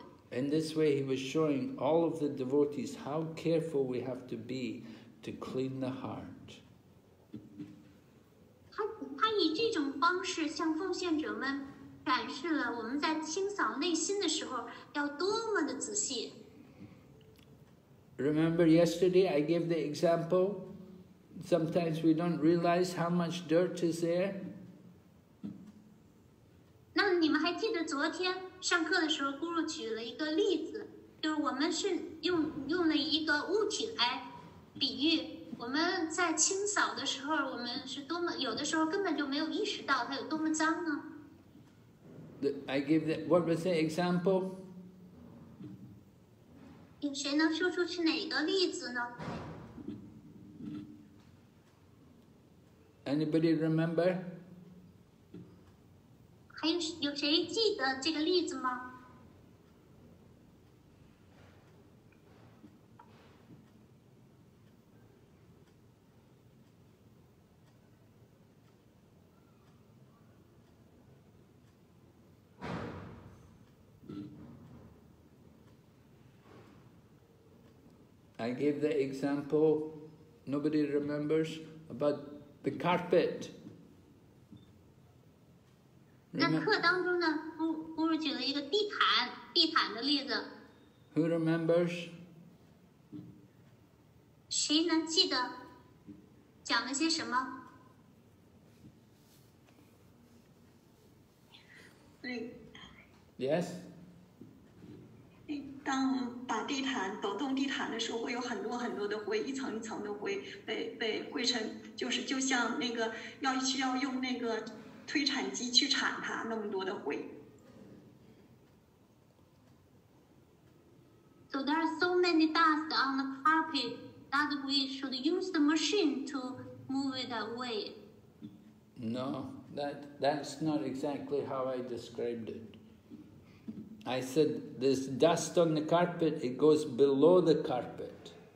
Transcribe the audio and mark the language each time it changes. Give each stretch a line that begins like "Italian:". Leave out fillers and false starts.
English: In this way, he was showing all of the devotees how careful we have to be to clean the heart. He, in this way, he was showing all of the devotees how careful we have to be to clean the heart.
Chinese: 展示了我们在清扫内心的时候要多么的仔细。
English: Remember yesterday I gave the example? Sometimes we don't realize how much dirt is there.
Chinese: 那你们还记得昨天上课的时候，咕噜举了一个例子，就是我们是用了一个物体来比喻，我们在清扫的时候，我们是多么有的时候根本就没有意识到它有多么脏呢？
English: What was the example?
Chinese: 有谁能说出是哪个例子呢？
English: Anybody remember?
Chinese: 有谁记得这个例子吗？
English: I gave the example, nobody remembers, about the carpet.
Chinese: 那课当中呢，不是举了一个地毯的例子。
English: Who remembers?
Chinese: 谁能记得讲了些什么？对。
English: Yes.
Chinese: 当我们把地毯抖动地毯的时候，会有很多很多的灰，一层一层的灰被灰尘，就是就像那个要需要用那个。推铲机去铲它，那么多的灰。
English: So there are so many dust on the carpet that we should use the machine to move it away. No, that's not exactly how I described it. I said this dust on the carpet, it goes below the carpet.